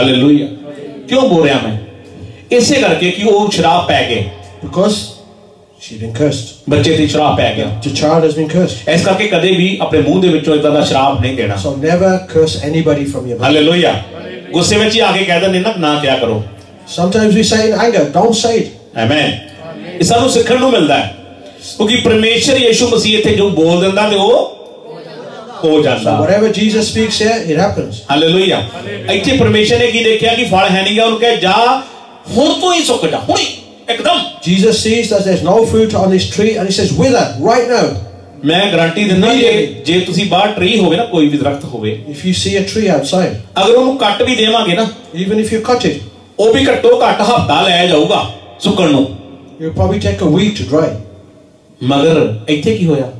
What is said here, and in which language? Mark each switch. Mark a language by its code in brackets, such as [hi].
[pa] hallelujah ਕਿਉਂ ਬੋਲ ਰਿਹਾ ਮੈਂ ਇਸੇ ਕਰਕੇ ਕਿ ਉਹ ਸ਼ਰਾਬ ਪੈ ਗਏ [en] because she been cursed [pa] ਬੱਚੇ ਤੇ ਸ਼ਰਾਬ ਪੈ ਗਿਆ [en] the child has been cursed [pa] ਇਸ ਕਰਕੇ ਕਦੇ ਵੀ ਆਪਣੇ ਮੂੰਹ ਦੇ ਵਿੱਚੋਂ ਇਦਾਂ ਦਾ ਸ਼ਰਾਬ ਨਹੀਂ ਦੇਣਾ [en] so never curse anybody from your mouth [pa] hallelujah ਗੁੱਸੇ ਵਿੱਚ ਹੀ ਆ ਕੇ ਕਹਿ ਦਿੰਦੇ ਨਾ ਨਾ ਕਿਆ ਕਰੋ [en] sometimes we say in anger don't say it [pa] amen ਇਹ ਸਾਨੂੰ ਸਿੱਖਣ ਨੂੰ ਮਿਲਦਾ ਹੈ ਕਿਉਂਕਿ ਪਰਮੇਸ਼ਰ ਯੀਸ਼ੂ ਮਸੀਹ ਇੱਥੇ ਜੋ ਬੋਲ ਦਿੰਦਾ ਤੇ ਉਹ ਹੋ ਜਾਂਦਾ [en] whatever jesus speaks here it happens [pa] hallelujah ਇੱਥੇ ਪਰਮੇਸ਼ਰ ਨੇ ਕੀ ਦੇਖਿਆ ਕਿ ਫਲ ਹੈ ਨਹੀਂਗਾ ਉਹਨੂੰ ਕਹੇ ਜਾ ਹੁਣ ਤੋਂ ਹੀ ਸੁੱਕ ਜਾ ਹੁਣੇ ਇੱਕਦਮ [en] jesus sees that there's no fruit on this tree and he says wither right now [pa] ਮੈਂ ਗਾਰੰਟੀ ਦਿੰਦਾ ਜੇ ਤੁਸੀਂ ਬਾਹਰ ਟ੍ਰੀ ਹੋਵੇ ਨਾ ਕੋਈ ਵੀ ਦਰਖਤ ਹੋਵੇ [en] if you see a tree outside [pa] ਅਗਰ ਉਹਨੂੰ ਕੱਟ ਵੀ ਦੇਵਾਂਗੇ ਨਾ [en] even if you cut it [pa] ਉਹ ਵੀ ਘੱਟੋ ਘੱਟ ਹਫਤਾ ਲੈ ਜਾਊਗਾ ਸੁੱਕਣ ਨੂੰ [en] you probably take a week to dry [pa] ਮਗਰ ਇੱਥੇ ਕੀ ਹੋਇਆ